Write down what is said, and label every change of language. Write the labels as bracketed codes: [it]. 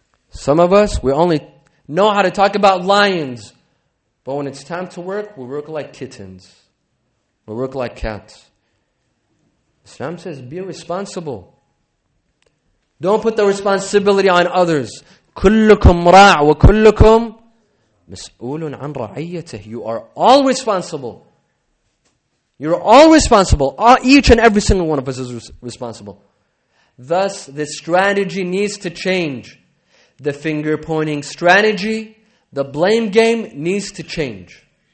[en] Some of us, we only know how to talk about lions. But when it's time to work, we work like kittens. We work like cats. Islam says, be responsible. Don't put the responsibility on others. [ar] كلكم راع وكلكم مسؤول عن رعيته. [en] You are all responsible. You're all responsible. Each and every single one of us is responsible. Thus, this strategy needs to change. the finger-pointing strategy, the blame game needs to change.